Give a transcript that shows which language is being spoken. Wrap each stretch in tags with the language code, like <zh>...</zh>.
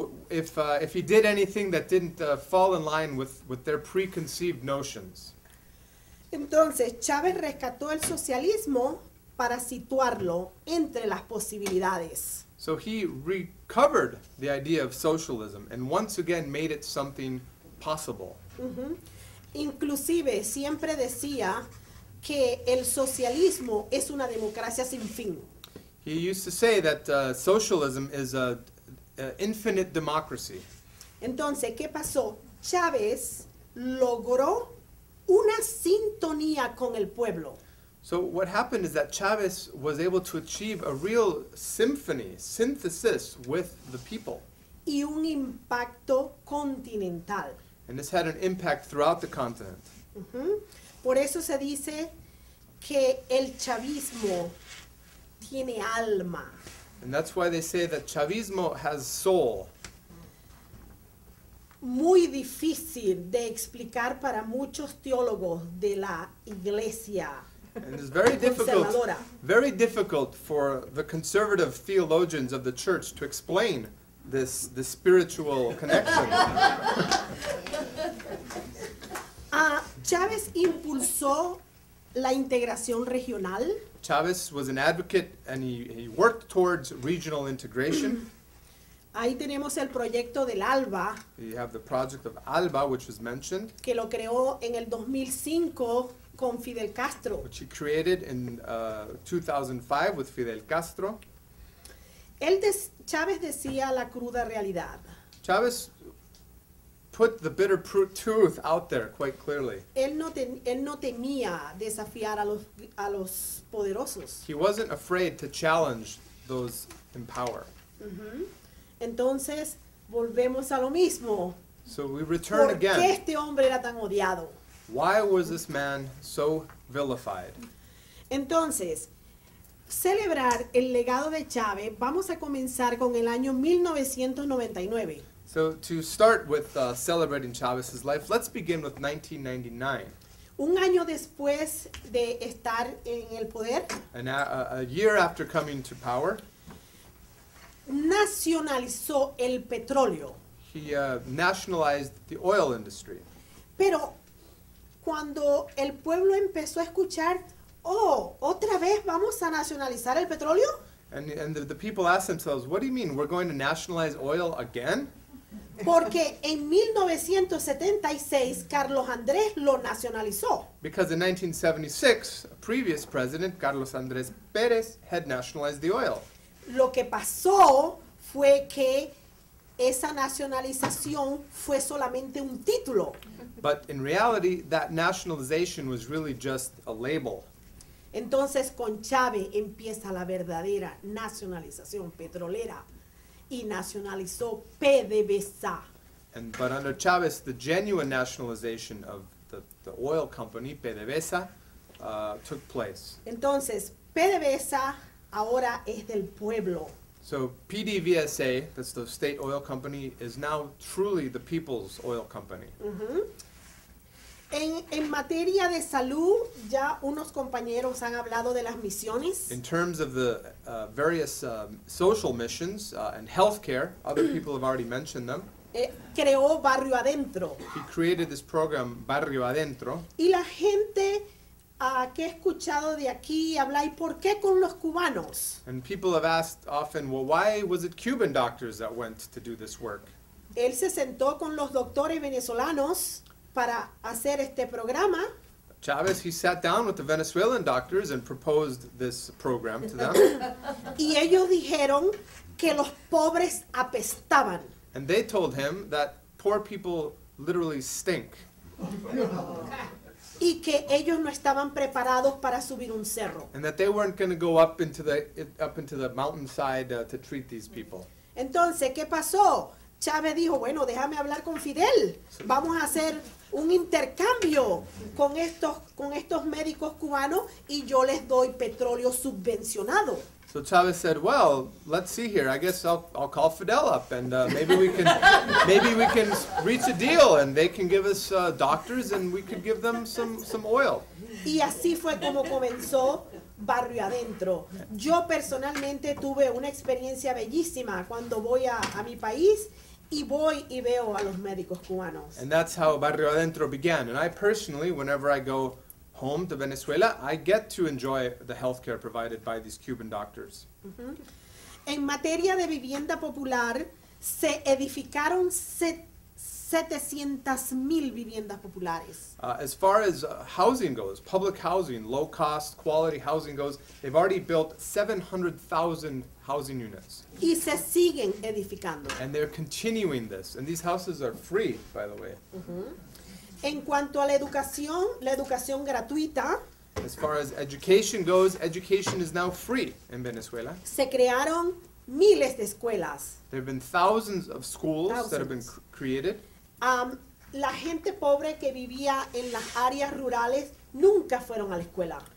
<en>If he did anything that didn't fall in line with their preconceived notions.</en> <es>Entonces, Chávez rescató el socialismo para situarlo entre las posibilidades.</es> <en>So he recovered the idea of socialism and once again made it something possible. Mm-hmm.</en> <es>Inclusive, siempre decía que el socialismo es una democracia sin fin.</es> <en>He used to say that socialism is an infinite democracy.</en> <es>Entonces, ¿qué pasó? Chávez logró una sintonía con el pueblo.</es> <en>So what happened is that Chávez was able to achieve a real symphony, synthesis with the people.</en> <es>Y un impacto continental.</es> <en>And this had an impact throughout the continent. Mm-hmm.</en> <es>Por eso se dice que el chavismo tiene alma.</es> <en>And that's why they say that chavismo has soul.</en> <es>Muy difícil de explicar para muchos teólogos de la iglesia.</es> <en>And it's very difficult for the conservative theologians of the church to explain this spiritual connection.</en> <es>Chávez impulsó la integración regional.</es> <en>Chávez was an advocate and he worked towards regional integration.</en> <es>Ahí tenemos el proyecto del ALBA.</es> <en>You have the project of ALBA, which was mentioned.</en> <es>Que lo creó en el 2005 con Fidel Castro.</es> <en>Which he created in 2005 with Fidel Castro.</en> <es>Chávez decía la cruda realidad.</es> <en>Chávez put the bitter truth out there quite clearly.</en> <es>Él no temía desafiar a los poderosos.</es> <en>He wasn't afraid to challenge those in power.</en> <es>Entonces, volvemos a lo mismo.</es> <en>So we return</en> <es>¿Por</es> <en>again.</en> <es>¿Por qué este hombre era tan odiado?</es> <en>Why was this man so vilified?</en> <es>Entonces, celebrar el legado de Chávez, vamos a comenzar con el año 1999.</es> <en>So to start with celebrating Chávez's life, let's begin with 1999.</en> <es>Un año después de estar en el poder.</es> <en>And a year after coming to power.</en> <es>Nacionalizó el petróleo.</es> <en>He nationalized the oil industry.</en> <es>Pero cuando el pueblo empezó a escuchar, oh, otra vez vamos a nacionalizar el petróleo?</es> <en>And the people asked themselves, what do you mean? We're going to nationalize oil again?</en> <es>Porque en 1976, Carlos Andrés lo nacionalizó.</es> <en>Because in 1976, a previous president, Carlos Andrés Pérez, had nationalized the oil.</en> <es>Lo que pasó fue que esa nacionalización fue solamente un título.</es> <en>But in reality, that nationalization was really just a label.</en> <es>Entonces, con Chávez empieza la verdadera nacionalización petrolera y nacionalizó PDVSA.</es> <en>But under Chávez, the genuine nationalization of the oil company, PDVSA, took place.</en> <es>Entonces, PDVSA ahora es del pueblo.</es> <en>So PDVSA, that's the state oil company, is now truly the people's oil company. Mm-hmm.</en> <es>En materia de salud, ya unos compañeros han hablado de las misiones.</es> <en>In terms of the various social missions and healthcare, other people have already mentioned them.</en> <es>Creó Barrio Adentro.</es> <en>He created this program, Barrio Adentro.</en> <es>Y la gente... ¿Qué he escuchado de aquí? Habla, ¿y por qué con los cubanos?</es> <en>And people have asked often, well, why was it Cuban doctors that went to do this work?</en> <es>Él se sentó con los doctores venezolanos para hacer este programa.</es> <en>Chávez, he sat down with the Venezuelan doctors and proposed this program to them.</en> <es>Y ellos dijeron que los pobres apestaban.</es> <en>And they told him that poor people literally stink.</en> <es>Y que ellos no estaban preparados para subir un cerro.</es> <en>And that they weren't going to go up into the mountainside to treat these people.</en> <es>Entonces, ¿qué pasó? Chávez dijo, bueno, déjame hablar con Fidel. Vamos a hacer un intercambio con estos médicos cubanos y yo les doy petróleo subvencionado.</es> <en>So Chávez said, well, let's see here. I guess I'll call Fidel up and maybe we can reach a deal and they can give us doctors and we could give them some oil.</en> <es>Y así fue como comenzó Barrio Adentro. Yo personalmente tuve una experiencia bellísima cuando voy a mi país y voy y veo a los médicos cubanos.</es> <en>And that's how Barrio Adentro began. And I personally, whenever I go home to Venezuela, I get to enjoy the healthcare provided by these Cuban doctors.</en> <es>Mm-hmm. En materia de vivienda popular, se edificaron 700,000 viviendas populares.</es> <en>As far as housing goes, public housing, low-cost, quality housing goes, they've already built 700,000 housing units.</en> <es>Y se siguen edificando.</es> <en>And they're continuing this. And these houses are free, by the way.</en> <es>Mm-hmm. En cuanto a la educación gratuita.</es> <en>As far as education goes, education is now free in Venezuela.</en> <es>Se crearon miles de escuelas.</es> <en>There have been thousands of schools that have been created.</en> <es>La gente pobre que vivía en las áreas rurales nunca fueron a la escuela.</es>